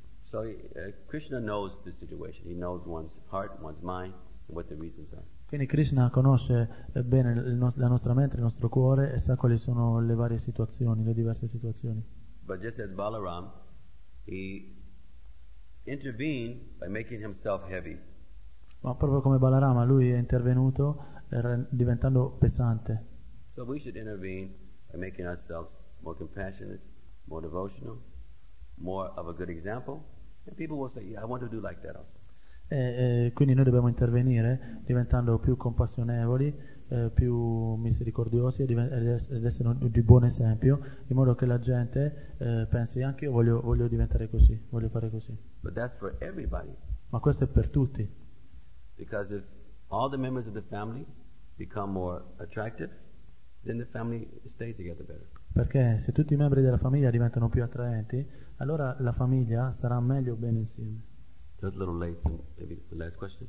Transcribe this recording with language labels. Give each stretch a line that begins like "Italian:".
English: So Krishna knows the situation. He knows one's heart, one's mind and what the reasons are.
Italian: Quindi Krishna conosce bene la nostra mente, il nostro cuore e sa quali sono le varie situazioni, le diverse situazioni.
English: But just as Balaram, he intervened by making himself heavy.
Italian: Ma proprio come Balarama, lui è intervenuto diventando pesante.
English: So we should intervene by making ourselves more compassionate, more devotional, more of a good example, and people will say, "Yeah, I want to do like that also."
Italian: Quindi noi dobbiamo intervenire diventando più compassionevoli, più misericordiosi ed essere di buon esempio, in modo che la gente pensi anche io voglio diventare così, voglio fare così.
English: But that's for everybody.
Italian: Ma questo è per tutti.
English: Because if all the members of the family become more attractive, then the family stays together better.
Italian: Perché se tutti i membri della famiglia diventano più attraenti, allora la famiglia sarà meglio bene insieme.
English: Just a little late, so maybe the last question.